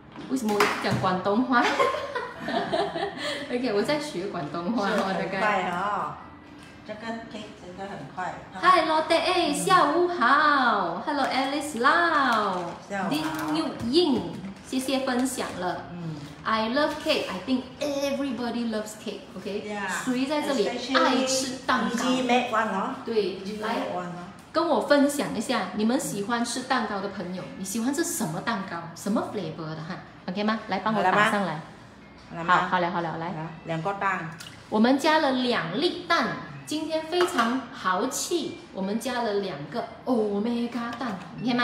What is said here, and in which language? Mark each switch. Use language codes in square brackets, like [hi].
[zh] 为什么我讲广东话？OK， 我在学广东话哈，大概。很快哈、哦，这个 cake 真的很快。 [en] Hi，Lotte， [zh] 下午好。 [en] Hello， Alice Lau。 [zh] 下午好。 Lin Yuying， 谢谢分享了。 [en] 嗯。I love cake. I think everybody loves cake. OK。 Yeah。 [zh] 谁在这里爱吃蛋糕？鸡没完了。对，来。跟我分享一下你们喜欢吃蛋糕的朋友，你喜欢吃什么蛋糕，什么 flavor 的哈， OK 吗？来帮我打上来。好好了好了，来两个蛋，我们加了两粒蛋，今天非常豪气，我们加了两个 Omega 蛋， OK 吗？